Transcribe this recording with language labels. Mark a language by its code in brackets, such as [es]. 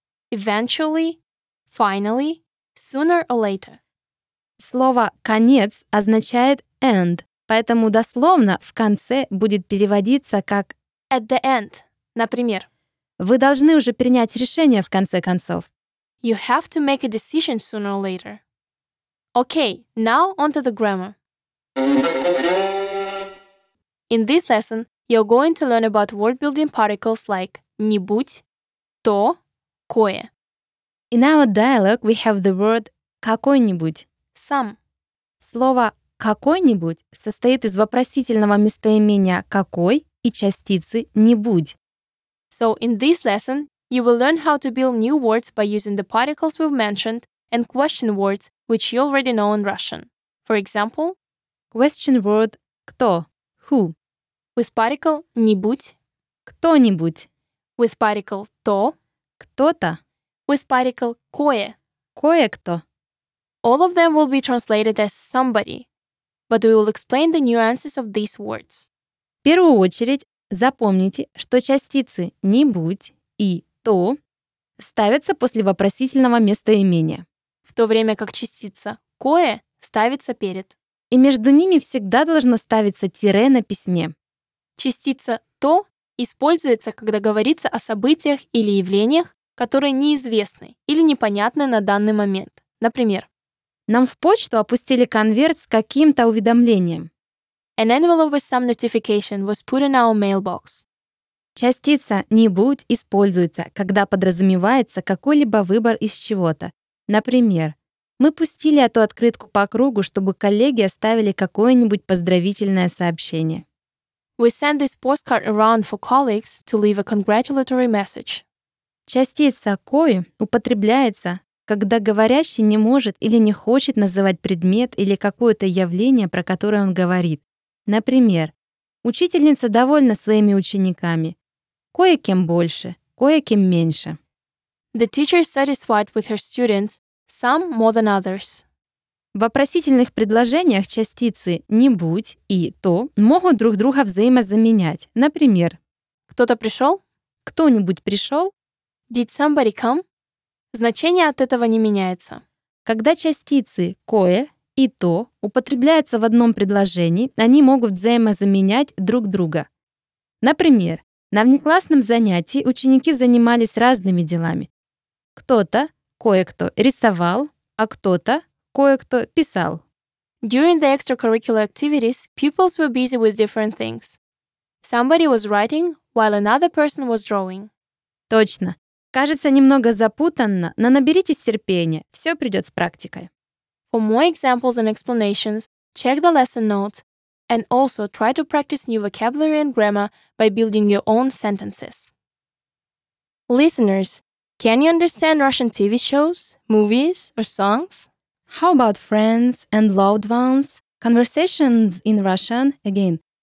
[en] Eventually, finally, sooner or later. [ru] Слово «конец» означает «end», поэтому дословно «в конце» будет переводиться как [en] «at the end», например. [ru] Вы должны уже принять решение в конце концов. [en] You have to make a decision sooner or later. Okay, now on to the grammar. In this lesson, you're going to learn about word-building particles like нибудь, то, кое. In our dialogue, we have the word какой-нибудь. Some. [ru] Слово какой-нибудь состоит из вопросительного местоимения какой и частицы нибудь. [en] So in this lesson, you will learn how to build new words by using the particles we've mentioned and question words, which you already know in Russian. For example, question word кто, who. With particle нибудь, [ru] кто-нибудь. [en] With particle то, [ru] кто-то. [en] With particle кое, [ru] кое-кто. [en] All of them will be translated as somebody, but we will explain the nuances of these words. [ru] В первую очередь, запомните, что частицы нибудь и то ставятся после вопросительного местоимения. В то время как частица кое ставится перед. И между ними всегда должно ставиться тире на письме. Частица «то» используется, когда говорится о событиях или явлениях, которые неизвестны или непонятны на данный момент. Например, нам в почту опустили конверт с каким-то уведомлением. [en] An envelope with some notification was put in our mailbox. [ru] Частица «нибудь» используется, когда подразумевается какой-либо выбор из чего-то. Например, мы пустили эту открытку по кругу, чтобы коллеги оставили какое-нибудь поздравительное сообщение. [en] We sent this postcard around for colleagues to leave a congratulatory message. [ru] Частица «кой» употребляется, когда говорящий не может или не хочет называть предмет или какое-то явление, про которое он говорит. Например, учительница довольна своими учениками. Кое-кем больше, кое-кем меньше. [en] The teacher is satisfied with her students, some more than others. [ru] В вопросительных предложениях частицы «нибудь» и «то» могут друг друга взаимозаменять. Например, кто-то пришел? Кто-нибудь пришел? [en] Did somebody come? [ru] Значение от этого не меняется. Когда частицы «кое» и «то» употребляются в одном предложении, они могут взаимозаменять друг друга. Например, на внеклассном занятии ученики занимались разными делами. Кто-то, кое-кто рисовал, а кто-то, кое-кто писал. [en] During the extracurricular activities, pupils were busy with different things. Somebody was writing, while another person was drawing. [ru] Точно. Кажется немного запутанно, но наберитесь терпения, все придет с практикой. [en] For more examples and explanations, check the lesson notes and also try to practice new vocabulary and grammar by building your own sentences. Listeners, can you understand Russian TV shows, movies, or songs? How about friends and loved ones? Conversations in Russian, again.